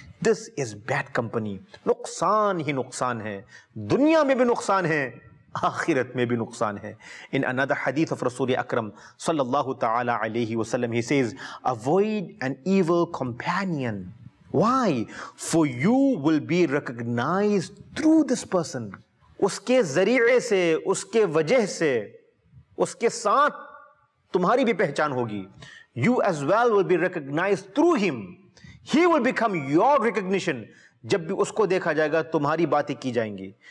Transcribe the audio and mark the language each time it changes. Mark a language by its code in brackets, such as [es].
[en] This is bad company. [ur] Nuksan hi nuksan hai. [en] Dunya mein bhi nuksan hai. [ur] آخرت میں بھی نقصان ہے. [en] In another حدیث of رسول اکرم صلی اللہ تعالی علیہ وسلم, he says, avoid an evil companion. Why? For you will be recognized through this person. [ur] اس کے ذریعے سے, اس کے وجہ سے, اس کے ساتھ تمہاری بھی پہچان ہوگی. [en] You as well will be recognized through him. He will become your recognition. [ur] جب بھی اس کو دیکھا جائے گا تمہاری باتیں کی جائیں گی.